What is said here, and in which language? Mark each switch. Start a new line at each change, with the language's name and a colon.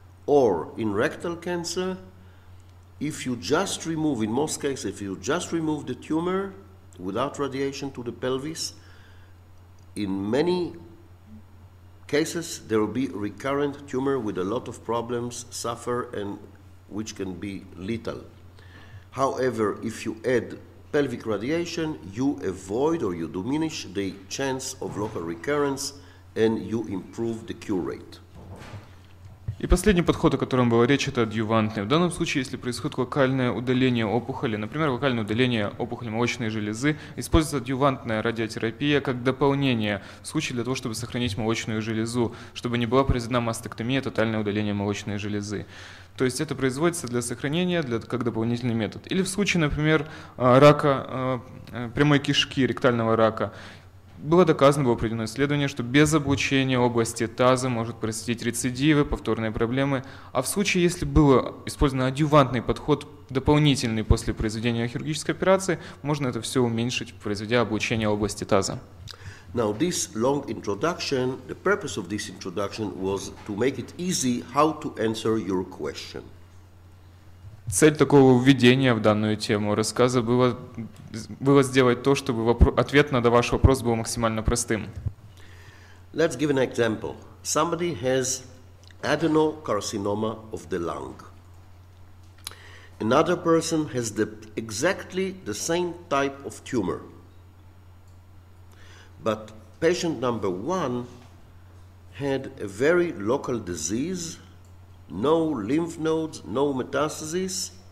English: Or in rectal cancer, if you just remove, in most cases, if you just remove the tumor without radiation to the pelvis, in many cases, there will be recurrent tumor with a lot of problems, suffer, and which can be lethal. However, if you add pelvic radiation, you avoid or you diminish the chance of local recurrence and you improve the cure rate.
Russian: И последний подход, о котором была речь, это адъювантный. В данном случае, если происходит локальное удаление опухоли, например, локальное удаление опухоли молочной железы, используется адъювантная радиотерапия как дополнение в случае для того, чтобы сохранить молочную железу, чтобы не была произведена мастектомия, тотальное удаление молочной железы. То есть это производится для сохранения, как дополнительный метод. Или в случае, например, рака прямой кишки, ректального рака, было доказано, было проведено исследование, что без облучения области таза может происходить рецидивы, повторные проблемы. А в случае, если был использован адъювантный подход, дополнительный после произведения хирургической операции, можно это все уменьшить, произведя облучение области таза.
English: Now this long introduction, the purpose of this introduction was to make it easy how to answer your question.
Russian: Цель такого введения в данную тему рассказа было сделать то, чтобы ответ на ваш вопрос был максимально простым.
English: Let's give an example. Somebody has adenocarcinoma of the lung. Another person has exactly the same type of tumor. But patient number one had a very local disease, no lymph nodes, no metastasis.